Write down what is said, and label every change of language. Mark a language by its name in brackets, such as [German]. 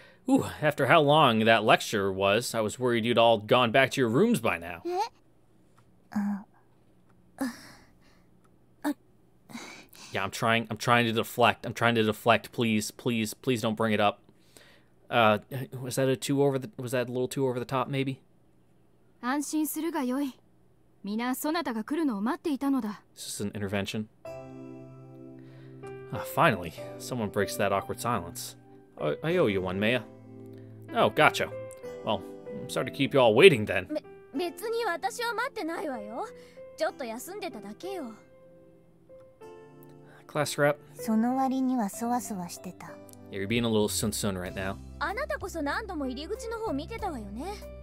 [English] Ooh, after how long that lecture was, I was worried you'd all gone back to your rooms by now. Yeah, I'm trying to deflect. Please don't bring it up. Was that a little too over the top, maybe? [Japanese] 安心するがよい。みなそなたが来るのを待っていたのだ。 [English] Is this an intervention? Finally, someone breaks that awkward silence. I owe you one, Maya. Oh, gotcha. Well, I'm sorry to keep you all waiting then. [Japanese] 別に私は待ってないわよ。ちょっと休んでただけよ。 [English] Class rep. [Japanese] その割にはそわそわしてた。 [English] Yeah, you're being a little sun right now. [Japanese] あなたこそ何度も入り口の方を見てたわよね。